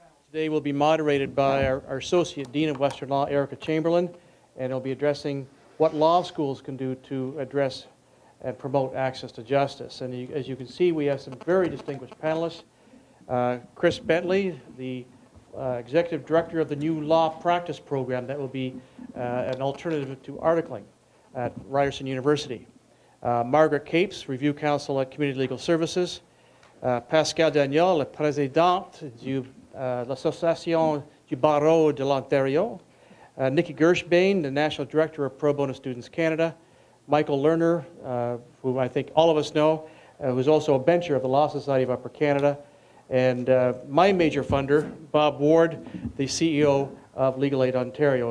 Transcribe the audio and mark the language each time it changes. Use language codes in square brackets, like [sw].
[en] Today will be moderated by our Associate Dean of Western Law, Erica Chamberlain, and it'll be addressing what law schools can do to address and promote access to justice. And you, as you can see, we have some very distinguished panelists. Chris Bentley, the Executive Director of the new Law Practice Program that will be an alternative to articling at Ryerson University. Margaret Capes, Review Counsel at Community Legal Services. [fr] Pascale Daigneault, le Président du l'Association du Barreau de l'Ontario. [en] Nikki Gershbain, the National Director of Pro Bono Students Canada. Michael Lerner, who I think all of us know, who's also a bencher of the Law Society of Upper Canada. And my major funder, Bob Ward, the CEO of Legal Aid Ontario.